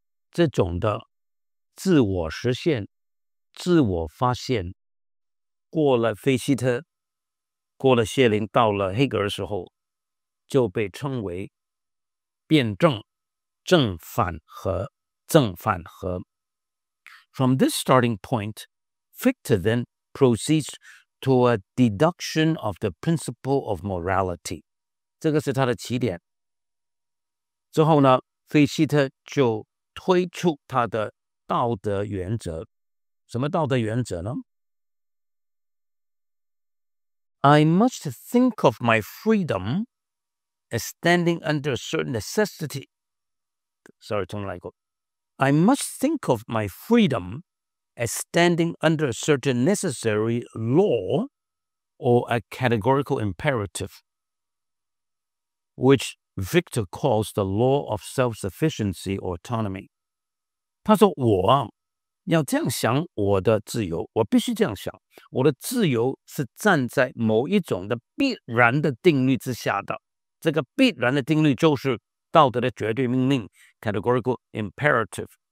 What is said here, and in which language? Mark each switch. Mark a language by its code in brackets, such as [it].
[zh] 这种的自我实现，自我发现过了菲希特，过了谢林，到了黑格尔时候，就被称为辩证、正反合、正反合。 [en] From this starting point, Fichte then proceeds to a deduction of the principle of morality. [zh] 这个是他的起点。之后呢，菲希特就推出他的道德原则。什么道德原则呢？ [en] I must think of my freedom as standing under a certain necessity. Sorry, [zh] 重来过。 [en] I must think of my freedom as standing under a certain necessary law or a categorical imperative, which Victor calls the law of self-sufficiency or autonomy. [zh] 他说我啊要这样想我的自由，我必须这样想，我的自由是站在某一种的必然的定律之下的，这个必然的定律就是道德的绝对命令 categorical imperative。